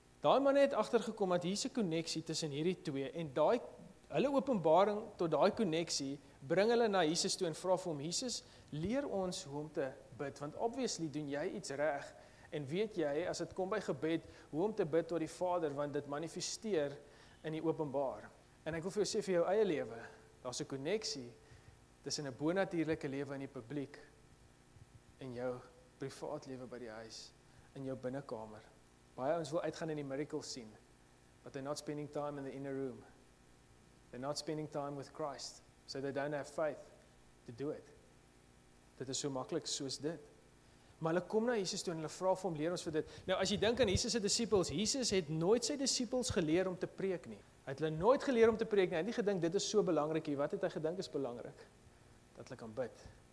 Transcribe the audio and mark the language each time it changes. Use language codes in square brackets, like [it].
[af] Daai manne het agtergekom dat hier 'n koneksie tussen hierdie twee en daai hulle openbaring tot daai koneksie bring hulle na Jesus toe en vra vir hom, Jesus, leer ons hoe om te bid, want obviously doen jy iets reg en weet jy, as het kom by gebed, hoe om te bid tot die Vader, want dit manifesteer in die openbaar. En ek wil vir jou sê vir jou eie lewe, daar 'n koneksie tussen 'n bonatuurlike lewe in die publiek en jou privaat lewe by die huis, in jou binnekamer. Baie ons wil uitgaan in die miracles sien, [en] but they're not spending time in the inner room. They're not spending time with Christ, so they don't have faith to do it. [af] Dit is so maklik soos dit. Maar hulle kom na Jesus toe en hulle vra vir hom, leer ons vir dit. Nou, as jy dink aan Jesus' disciples, Jesus het nooit sy disciples geleer om te preek nie. Hy het hulle nooit geleer om te preek nie. Hy het nie gedink, dit is so belangrik hier. Wat het hy gedink is belangrik? Dat hulle kan bid.